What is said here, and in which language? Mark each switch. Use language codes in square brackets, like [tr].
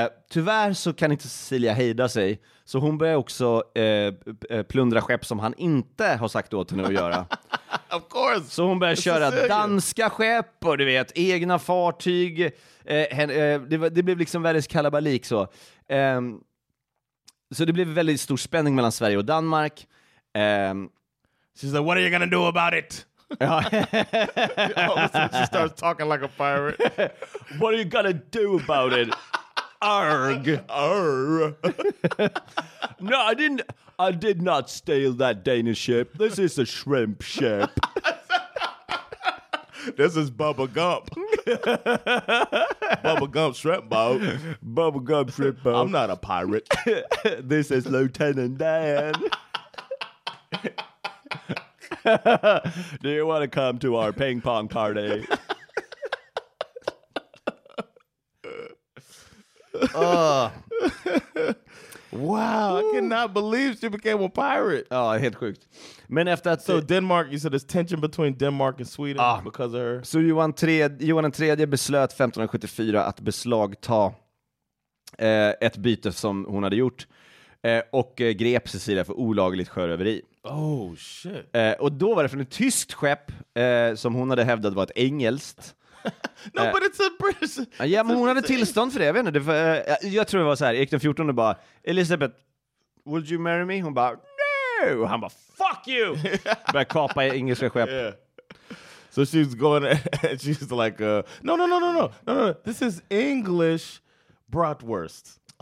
[sv] Tyvärr så kan inte Cecilia hejda sig, så hon börjar också plundra skepp som han inte har sagt åt henne att göra. [en] Of course. [sv] Så hon börjar köra danska skepp och du vet, egna fartyg. Det blev liksom världens kalabalik så. Så det blev väldigt stor spänning mellan Sverige och Danmark. [en] She's like, what are you gonna do about it? She starts talking like a pirate. What are you gonna do about it? Arg. Arr. No, I did not steal that Danish ship. This is a shrimp ship. This is Bubba Gump. Bubba Gump shrimp boat. Bubba Gump shrimp boat. I'm not a pirate. This is Lieutenant Dan. Do you want to come to our ping pong party? Wow, I cannot believe she became a pirate. Oh, I hit quick. [sv] Men efter att... [en] So Denmark, you said there's tension between Denmark and Sweden because of her. [sv] Så Johan III beslöt 1574 att beslagta ett byte som hon hade gjort. Och grep Cecilia för olagligt sjöröveri. [en] Oh, shit. [sv] Och då var det från ett tyskt skepp som hon hade hävdat var ett engelskt. [en] No, but it's a British. [sv] Ja, men hon hade tillstånd för det, vet du. Jag tror det var så här, Erik den 14:e bara, Elizabeth, [en] would you marry me? [sv] Hon bara, no! Och han bara, [en] fuck you! [sv] Börjar kapa engelska skepp. [en] Yeah. So she's going, she's like, no, this is English bratwurst.